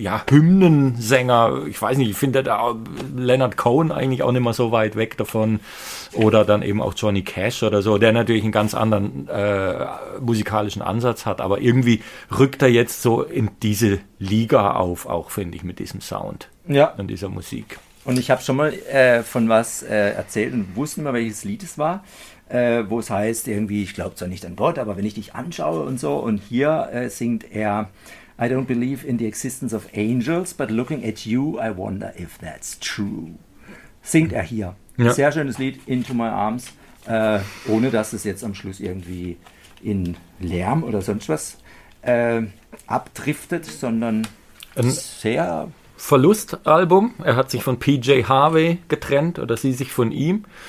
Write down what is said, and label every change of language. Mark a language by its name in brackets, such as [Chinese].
[German] Hymnensänger, ich weiß nicht, ich finde da Leonard Cohen eigentlich auch nicht mehr so weit weg davon, oder dann eben auch Johnny Cash oder so, der natürlich einen ganz anderen musikalischen Ansatz hat, aber irgendwie rückt er jetzt so in diese Liga auf, auch finde ich, mit diesem Sound und dieser Musik. Und ich habe schon mal von was erzählt und wusste mal, welches Lied es war, wo es heißt irgendwie, ich glaube zwar nicht an Gott, aber wenn ich dich anschaue und so. Und hier singt er, [English] I don't believe in the existence of angels, but looking at you, I wonder if that's true. [German] Singt er hier. Ja. Sehr schönes Lied, Into My Arms, ohne dass es jetzt am Schluss irgendwie in Lärm oder sonst was abdriftet, sondern sehr... Verlustalbum. Er hat sich von PJ Harvey getrennt, oder sie sich von ihm.